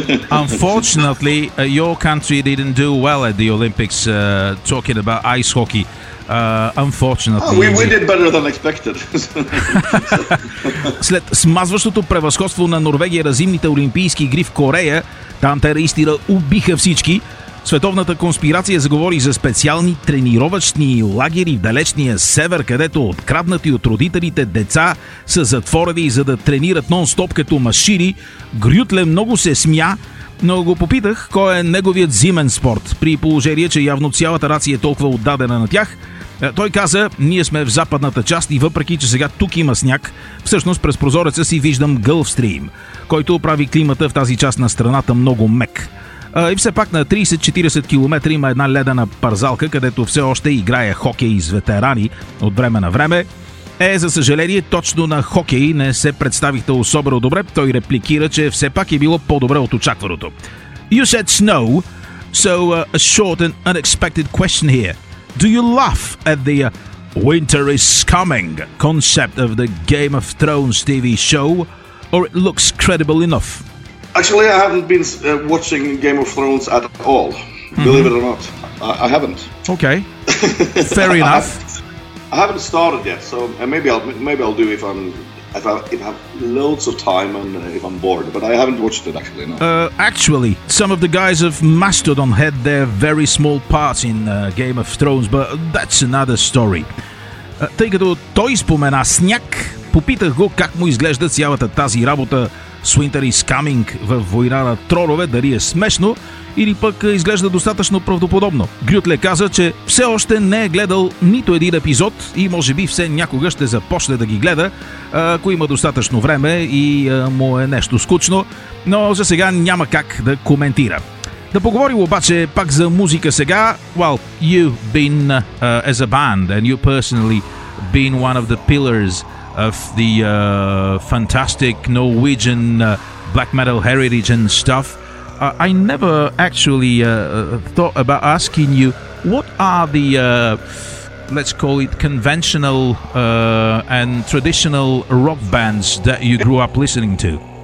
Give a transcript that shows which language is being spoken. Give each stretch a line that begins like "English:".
English: Unfortunately, your country didn't do well at the Olympics, talking about ice hockey. Unfortunately. Oh, we did better than expected.
Bulgarian: След смазващото превъзходство на Норвегия на зимните олимпийски игри в Корея, там те наистина убиха всички, Световната конспирация заговори за специални тренировъчни лагери в далечния север, където откраднати от родителите деца са затворени, за да тренират нон-стоп като машини. Грютле много се смя, но го попитах кой е неговият зимен спорт, при положение, че явно цялата рация е толкова отдадена на тях. Той каза: ние сме в западната част и въпреки, че сега тук има сняг, всъщност през прозореца си виждам Гълфстрим, който прави климата в тази част на страната много мек. И все пак на 30-40 км има една ледена парзалка, където все още играе хокей с ветерани от време на време. За съжаление, точно на хокей не се представихте особено добре. Той репликира, че все пак е било по-добре от очакваното.
English: You said snow, so a short and unexpected question here. Do you laugh at the winter is coming concept of the Game of Thrones TV show, or it looks credible enough? Actually, I haven't been watching Game of Thrones at all, believe it or not. I haven't. Okay, fair enough. I haven't started yet, so maybe I'll do if I have loads of time and if I'm bored. But I haven't watched it actually. No. Actually, some of the guys of Mastodon had their very small parts in Game of Thrones, but that's another story.
Bulgarian: Тъй като той спомена сняг, попитах го как му изглежда цялата тази работа с Winter is Coming във Война на тронове, дали е смешно или пък изглежда достатъчно правдоподобно. Грютле каза, че все още не е гледал нито един епизод и може би все някога ще започне да ги гледа, ако има достатъчно време и му е нещо скучно, но за сега няма как да коментира. Да поговорим обаче пак за музика сега.
English: Well, you've been as a band and you personally been one of the pillars of the fantastic Norwegian black metal heritage and stuff. I never actually thought about asking you, what are the, let's call it, conventional and traditional rock bands that you grew up listening to?